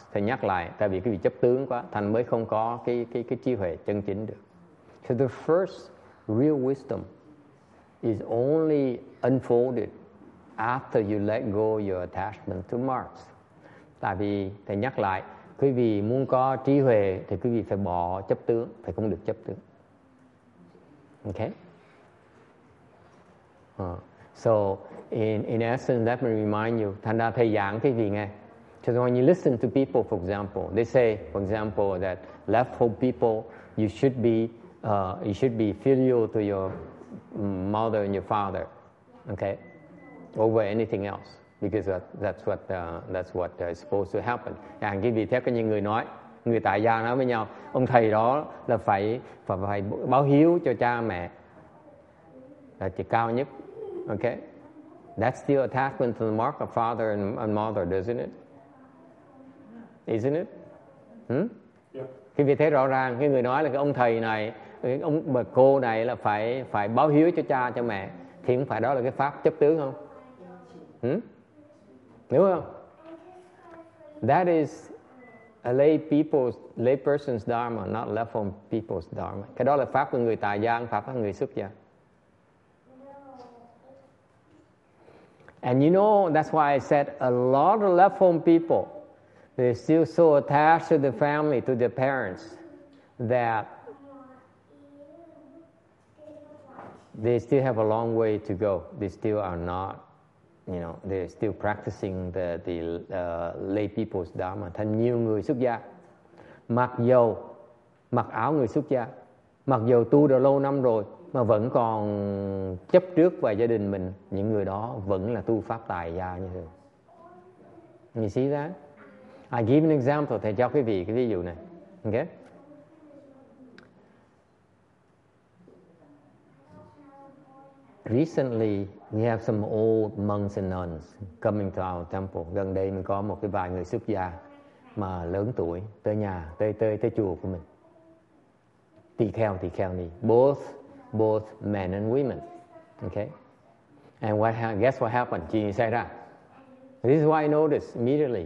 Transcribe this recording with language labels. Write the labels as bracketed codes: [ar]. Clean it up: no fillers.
[vi] Thầy nhắc lại, tại vì quý vị chấp tướng quá, thành mới không có cái trí huệ chân chính được. [en] So the first real wisdom is only unfolded after you let go your attachment to Marx. [vi] Tại vì thầy nhắc lại, quý vị muốn có trí huệ thì quý vị phải bỏ chấp tướng, phải không được chấp tướng. Okay. [en] So in essence, let me remind you. [vi] Thành ra thầy giảng cái gì nghe. [en] So when you listen to people, for example, they say, for example, that left home people, you should be filial to your mother and your father, okay, over anything else, because that's what is supposed to happen. [vi] And cái gì theo cái những người nói, người tại gia nói với nhau, ông thầy đó là phải báo hiếu cho cha mẹ là chỉ cao nhất. [en] Okay, that's still attachment to the mark of father and mother, isn't it? Isn't it? [vi] Khi vì thế rõ ràng, cái người nói là cái ông thầy này, ông bà cô này là phải báo hiếu cho cha cho mẹ, thì không phải đó là cái pháp chấp tướng không? Đúng không? [en] That is a lay person's dharma, not left home people's dharma. [vi] Cái đó là pháp của người tại gia, pháp của người xuất gia. [en] And you know, that's why I said a lot of left home people, they're still so attached to the family, to their parents, that they still have a long way to go. They still are not, you know, they're still practicing the lay people's dharma. [vi] Thành nhiều người xuất gia, mặc dù mặc áo người xuất gia, mặc dù tu đã lâu năm rồi, mà vẫn còn chấp trước về gia đình mình, những người đó vẫn là tu pháp tài gia như thường. [en] You see that? I give an example, [vi] thầy cho quý vị cái ví dụ này. Okay? [en] Recently, we have some old monks and nuns coming to our temple. [vi] Gần đây mình có một cái vài người xuất gia mà lớn tuổi tới nhà, tới chùa của mình. [en] Tỳ kheo ni. Both men and women. Okay? And what guess what happened? [vi] Chuyện gì xảy ra? [en] This is what I noticed immediately.